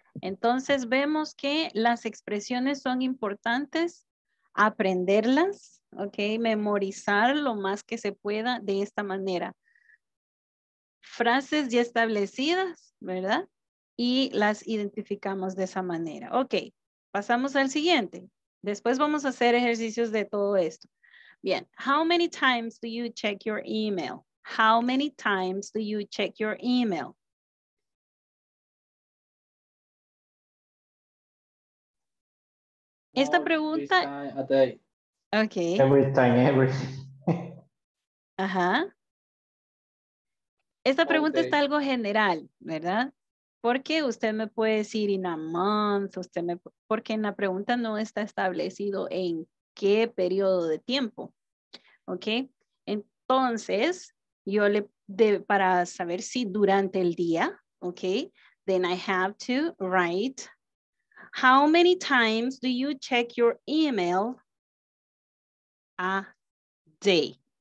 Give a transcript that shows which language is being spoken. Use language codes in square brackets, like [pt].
[es] Entonces vemos que las expresiones son importantes, aprenderlas, ok, memorizar lo más que se pueda de esta manera. Frases ya establecidas, ¿verdad? Y las identificamos de esa manera. Ok, pasamos al siguiente. Después vamos a hacer ejercicios de todo esto. [en] Bien, how many times do you check your email? How many times do you check your email? [es] Esta pregunta... [en] A day. Okay. Every time. [es] Ajá. Esta pregunta está algo general, ¿verdad? Porque usted me puede decir [en] in a month, [es] porque en la pregunta no está establecido en qué periodo de tiempo. ¿Ok? Entonces, yo le, para saber si durante el día, ¿ok? [en] Then I have to write, how many times do you check your email a day?